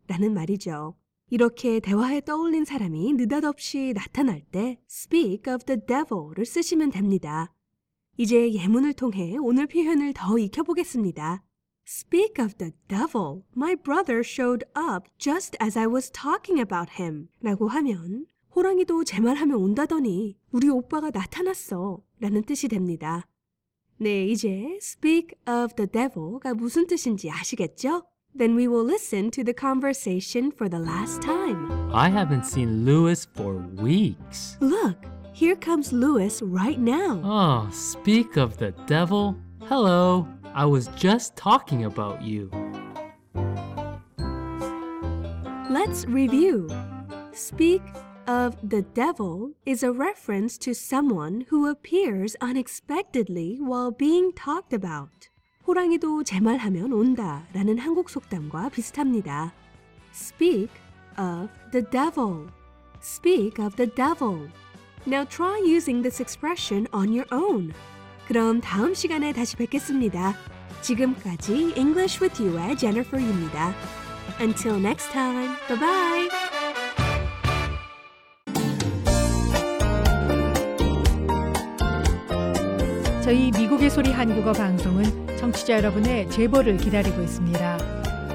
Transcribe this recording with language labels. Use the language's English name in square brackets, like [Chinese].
[Korean] 라는 말이죠. 이렇게 대화에 떠올린 사람이 느닷없이 나타날 때 [English] speak of the devil [Korean] 를 쓰시면 됩니다. 이제 예문을 통해 오늘 표현을 더 익혀보겠습니다. [English] Speak of the devil. My brother showed up just as I was talking about him. [Korean] 라고 하면 호랑이도 제 말하면 온다더니 우리 오빠가 나타났어 라는 뜻이 됩니다. 네, 이제 [English] speak of the devil [Korean] 가 무슨 뜻인지 아시겠죠? [English] Then we will listen to the conversation for the last time. I haven't seen Louis for weeks. Look, here comes Louis right now. Oh, speak of the devil. Hello, I was just talking about you. Let's review. Speak of the devil is a reference to someone who appears unexpectedly while being talked about. [Korean] 호랑이도 제 말하면 온다 라는 한국 속담과 비슷합니다. [English] Speak of the devil. Speak of the devil. Now try using this expression on your own. [Korean] 그럼 다음 시간에 다시 뵙겠습니다. 지금까지 English with You의 Jennifer입니다. [English] Until next time, bye-bye! [Korean] 저희 미국의 소리 한국어 방송은 청취자 여러분의 제보를 기다리고 있습니다.